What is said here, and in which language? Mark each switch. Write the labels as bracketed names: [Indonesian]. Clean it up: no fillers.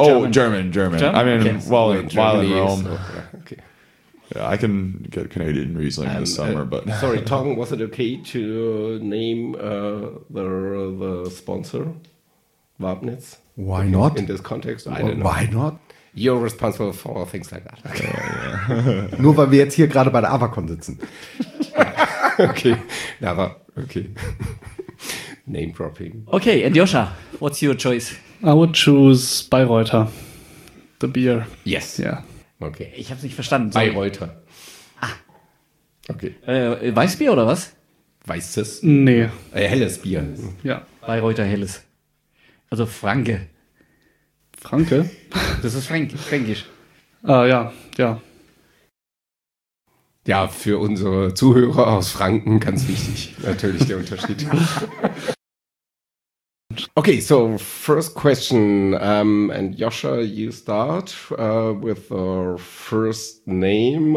[English] Oh, German. I mean, okay. while in Rome. So, okay. Yeah, I can get Canadian Riesling this summer. But sorry, Tong, was it okay to name the sponsor, Wapnitz? Why not? In this context, I don't know. Why not? You're responsible for things like that. Okay. [German] Nur weil wir jetzt hier gerade bei der Avacon sitzen. [English] Okay, never. Okay. Name dropping. Okay, and Joscha, what's your choice? I would choose Bayreuther, the beer. Yes. Yeah. Okay. [German] Ich hab's nicht verstanden. [English] Sorry. Bayreuther. Ah. Okay. [German] Weißbier oder was? Weißes? Nee. Helles Bier. Ja. Bayreuther Helles. Also Franke. Franke? Das ist Fränkisch. Ah, ja, ja. Ja, für unsere Zuhörer aus Franken ganz wichtig, natürlich der Unterschied. [English] Okay, so first question, and Joscha, you start with our first name.